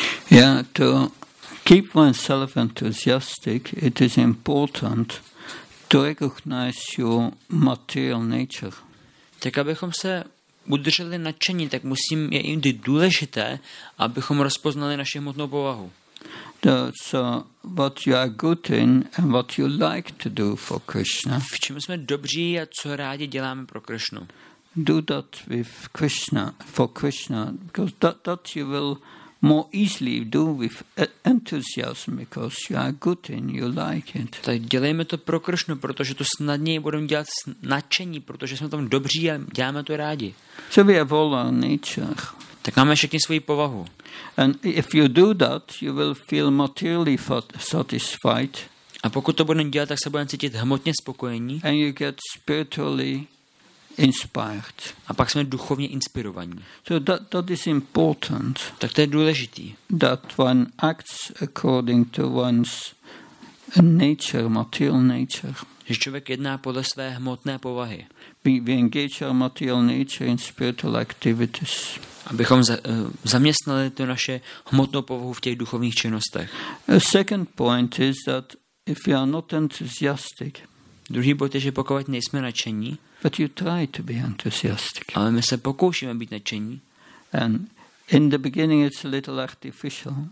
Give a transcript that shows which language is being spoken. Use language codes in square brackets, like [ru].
[en] Yeah, to keep oneself enthusiastic, it is important to recognize your material nature. [cs] Tak abychom se udrželi nadšení, tak musím je jindy důležité, abychom rozpoznali naši hmotnou povahu. [en] So what you are good in and what you like to do for Krishna. [cs] V čem jsme dobří a co rádi děláme pro Krishnu. [en] Do that with Krishna, for Krishna, because that you will more easily do with enthusiasm, because you are good in, you like it. [cs] Tak dělejme to pro Krishnu, protože to snadněji budeme dělat s nadšení, protože jsme tam dobří a děláme to rádi. [en] So we have all our nature. [cs] Tak máme všechny svoji povahu. [en] And if you do that, you will feel materially satisfied. [cs] A pokud to budeme dělat, tak se budeme cítit hmotně spokojení. [en] And you get spiritually inspired. [cs] A pak jsme duchovně inspirovaní. [en] So that is important. [cs] Tak to je důležitý. [en] That one acts according to one's nature, material nature. [cs] Že člověk jedná podle své hmotné povahy. [en] We engage our material nature in spiritual activities. [cs] Abychom zaměstnali to naše hmotnou povahu v těch duchovních činnostech. [en] A second point is that if you are not enthusiastic. [cs] Druhý bod je, že pokud nejsme nadšení. [en] But you try to be enthusiastic. [cs] Ale my se pokoušíme být nadšení. [en] And in the beginning it's a little artificial.